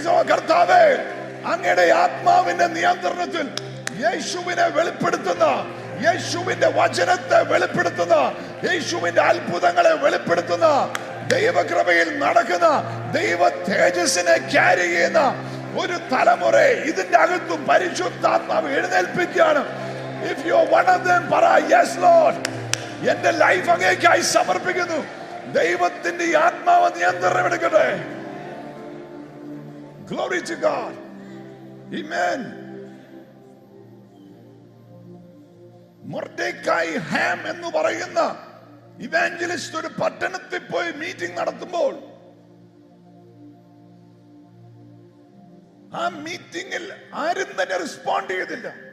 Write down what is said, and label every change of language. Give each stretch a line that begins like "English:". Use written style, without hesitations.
Malayalam: കർത്താവേ, അങ്ങയുടെ ആത്മാവിന്റെ നിയന്ത്രണത്തിൽ യേശുവിനെ വെളിപ്പെടുത്തുന്ന, യേശുവിന്റെ വചനത്തെ വെളിപ്പെടുത്തുന്ന, യേശുവിന്റെ അത്ഭുതങ്ങളെ വെളിപ്പെടുത്തുന്ന, ദൈവകൃപയിൽ നടക്കുന്ന, ദൈവ തേജസ്സിനെ ക്യാരി ചെയ്യുന്ന ഒരു തലമുറ ഇതിന്റെ അകത്തും പരിശുദ്ധാത്മാവ് എഴുന്നേൽപ്പിക്കുകയാണ്.
English: If you are one of them,
Malayalam: para,
English: yes, Lord.
Malayalam: എന്റെ ലൈഫ് അങ്ങേക്കായി സമർപ്പിക്കുന്നു. ദൈവത്തിന്റെ ആത്മാവ് നിയന്ത്രണം എടുക്കട്ടെ.
English: Glory to God. Amen.
Malayalam: മൊർദ്ദേക്കായി Ham എന്ന് പറയുന്ന ഇവാഞ്ചലിസ്റ്റ് ഒരു പട്ടണത്തിൽ പോയി മീറ്റിംഗ് നടത്തുമ്പോൾ ആ മീറ്റിംഗിൽ ആരും തന്നെ റെസ്പോണ്ട് ചെയ്തില്ല.